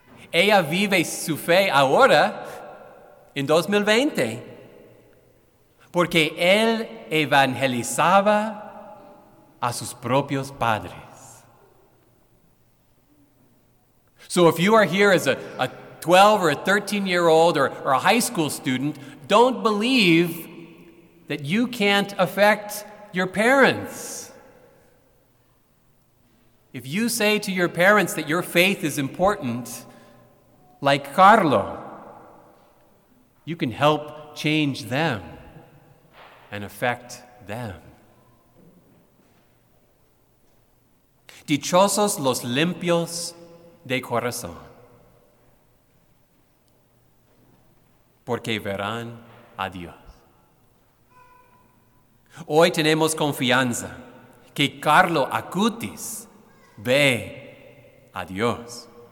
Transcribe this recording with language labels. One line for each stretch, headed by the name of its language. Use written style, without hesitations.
Spanish: Ella vive su fe ahora, en 2020, porque él evangelizaba a sus propios padres.
English: So if you are here as a 12 or a 13-year-old or a high school student, don't believe that you can't affect your parents. If you say to your parents that your faith is important, like Carlo, you can help change them and affect them.
Spanish: Dichosos los limpios de corazón, porque verán a Dios. Hoy tenemos confianza que Carlo Acutis ve a Dios.